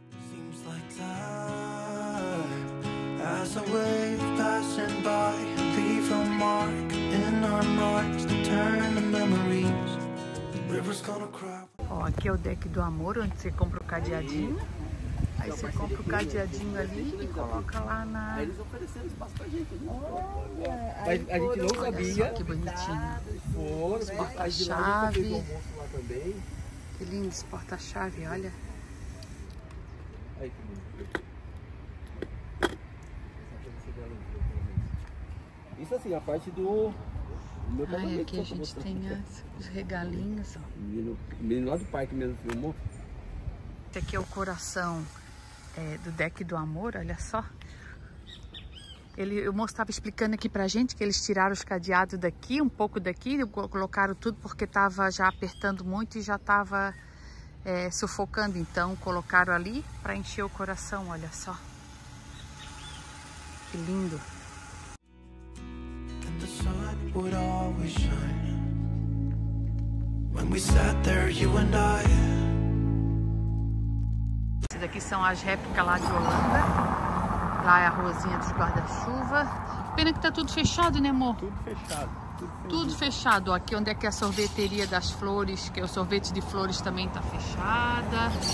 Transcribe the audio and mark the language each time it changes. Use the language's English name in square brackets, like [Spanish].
[English] Seems like time as a wave passing by. Leave a mark in our minds to turn the memories. We're [Portuguese] Ó, aqui é o deck do amor, onde você compra o cadeadinho. Aí você compra o cadeadinho ali e coloca lá na... Aí eles ofereceram espaço pra gente. Olha! A gente não sabia. Olha só que bonitinho. Foram, porta-chave. Que lindo esse porta-chave, olha. Aí, que bonito. Isso assim, a parte do meu cabelo. Ai, aqui a gente tem os regalinhos, ó. Menino lá do parque mesmo filmou. Esse aqui é o coração do deck do amor, olha só. O moço estava explicando aqui pra gente que eles tiraram os cadeados daqui, um pouco daqui, colocaram tudo porque estava já apertando muito e já estava sufocando. Então, colocaram ali para encher o coração, olha só. Que lindo. [English] Would always shine when we sat there, you and I. [Portuguese] Esses aqui são as réplicas lá de Holanda. Lá é a ruazinha dos guarda-chuva. Pena que tá tudo fechado, né, amor? Tudo fechado. Aqui onde é que é a sorveteria das flores, que é o sorvete de flores, também tá fechada.